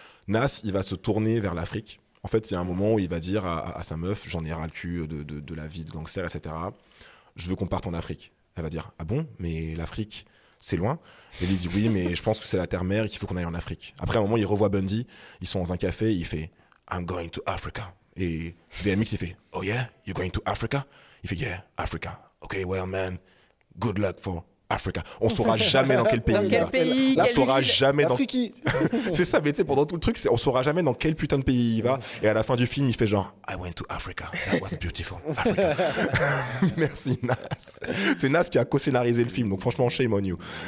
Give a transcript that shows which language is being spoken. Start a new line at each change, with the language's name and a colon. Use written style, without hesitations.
French: Nas, il va se tourner vers l'Afrique. En fait, il y a un moment où il va dire à sa meuf, j'en ai ras le cul de la vie de gangster, etc. Je veux qu'on parte en Afrique. Elle va dire, ah bon, mais l'Afrique, c'est loin. Et lui dit, oui, mais je pense que c'est la terre mère et qu'il faut qu'on aille en Afrique. Après, à un moment, il revoit Bundy, ils sont dans un café, il fait,
English: I'm going to Africa.
French: Et DMX, il fait,
English: oh yeah, you're going to Africa?
French: Il fait,
English: yeah, Africa. Ok, well, man, good luck for Africa.
French: On saura jamais dans quel pays. Dans quel pays, on saura jamais dans qui. C'est ça, mais tu sais, pendant tout le truc, on saura jamais dans quel putain de pays il va. Et à la fin du film, il fait genre,
English: I went to Africa. That was beautiful. Africa.
French: Merci, Nas. C'est Nas qui a co-scénarisé le film, donc franchement,
English: shame on you.